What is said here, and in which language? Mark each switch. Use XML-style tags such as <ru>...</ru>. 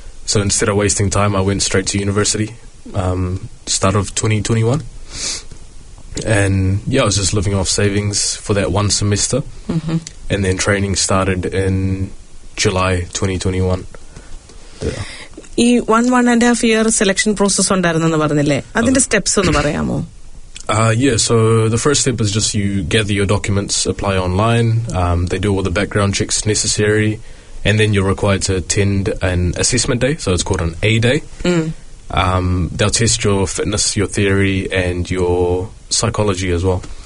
<en>So instead of wasting time, I went straight to university, start of 2021. And yeah, I was just living off savings for that one semester. And then training started in July 2021.</en> <ml>ഈ 1.5 year selection process ഉണ്ടായിരുന്നു എന്ന് പറഞ്ഞില്ലേ, അതിന്റെ steps ഒന്ന് പറയാമോ?</ml> <en>Yeah, so the first step is just you gather your documents, apply online, they do all the background checks necessary, and then you're required to attend an assessment day, so it's called an A day. They'll test your fitness, your theory, and your psychology as well.</en>